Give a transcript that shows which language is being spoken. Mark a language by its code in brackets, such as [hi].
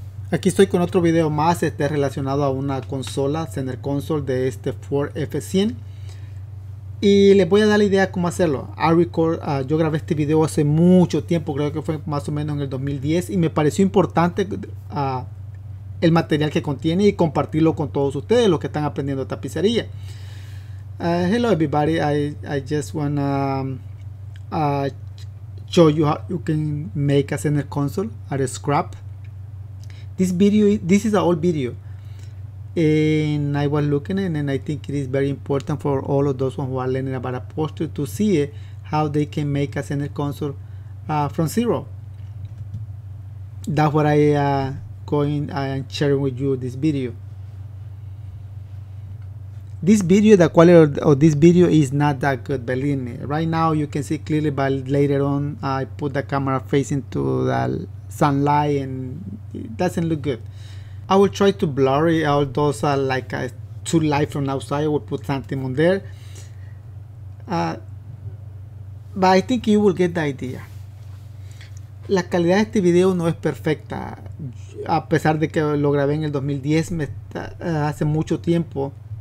[es] Aquí estoy con otro video más, relacionado a una consola, Zener Console de este Ford F100. Y les voy a dar la idea de cómo hacerlo. Yo grabé este video hace mucho tiempo, creo que fue más o menos en el 2010, y me pareció importante el material que contiene y compartirlo con todos ustedes, los que están aprendiendo tapicería. [en] Hello everybody, I just wanna show you how you can make a Zener Console out of scrap. This is an old video, and I was looking at it, and I think it is very important for all of those ones who are learning about upholstery to see it, how they can make a Zener console from zero. That's what I am sharing with you this video. The quality of this video is not that good, believe me. Right now you can see clearly, but later on I put the camera facing to the sunlight and it doesn't look good. I will try to blur it, although like too light from outside, I will put something on there. But I think you will get the idea. [es] La calidad de este video no es perfecta, a pesar de que lo grabé en el 2010, hace mucho tiempo.